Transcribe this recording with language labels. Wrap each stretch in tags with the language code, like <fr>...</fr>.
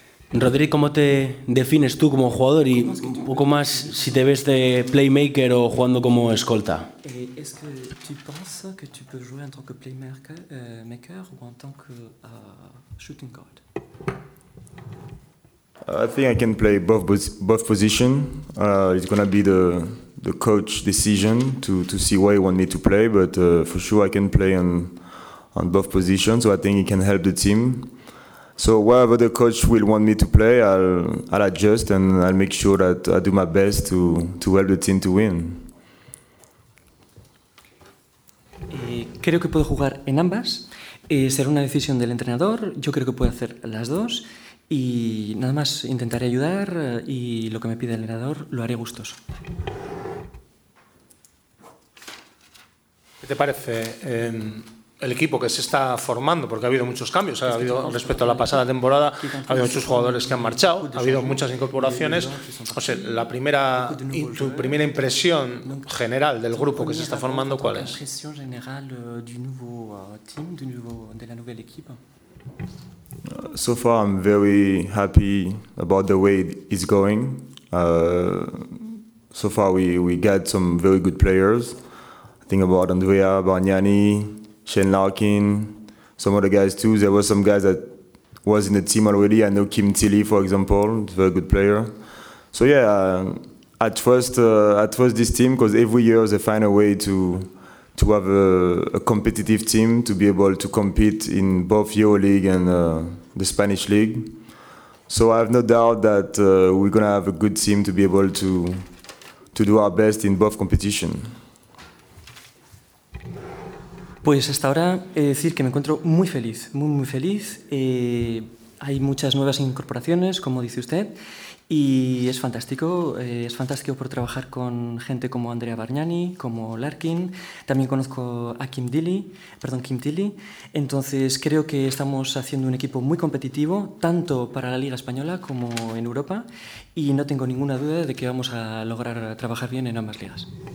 <es>Rodri, ¿cómo te defines tú como jugador? Y un poco más, si te ves de playmaker o jugando como escolta. ¿Es que tú piensas que tú puedes jugar</es> <fr>en tant que</fr> <es>playmaker o en tant que shooting guard?</es> <en>I think I can play both position. It's gonna be the coach decision to see where he want me to play, but for sure I can play on both positions. So I think he can help the team. So wherever the coach will want me to play, I'll adjust, and I'll make sure that I do my best to help the team to win.</en> <es>Creo que puedo jugar en ambas. Será una decisión del entrenador. Yo creo que puedo hacer las dos. Y nada más, intentaré ayudar y lo que me pide el entrenador lo haré gustoso. ¿Qué te parece el equipo que se está formando, porque ha habido muchos cambios, ha habido respecto a la pasada temporada, ha habido muchos jugadores que han marchado, ha habido muchas incorporaciones. O sea, la primera, tu primera impresión general del grupo que se está formando, ¿cuál es? Impresión general del nuevo team, de la nueva equipa.</es> <en>So far, I'm very happy about the way it is going. So far, we got some very good players. I think about Andrea Bargnani, Shane Larkin, some other guys too. There were some guys that was in the team already. I know Kim Tilly, for example, a very good player. So yeah, I trust this team because every year they find a way to have a competitive team, to be able to compete in both EuroLeague and the Spanish League. So I have no doubt that we're going to have a good team to be able to do our best in both competition.</en> <es>Pues hasta ahora he de decir que me encuentro muy feliz, muy muy feliz. Hay muchas nuevas incorporaciones, como dice usted, y es fantástico por trabajar con gente como Andrea Bargnani, como Larkin, también conozco a Kim Tilly, entonces creo que estamos haciendo un equipo muy competitivo, tanto para la Liga Española como en Europa, y no tengo ninguna duda de que vamos a lograr trabajar bien en ambas ligas.</es>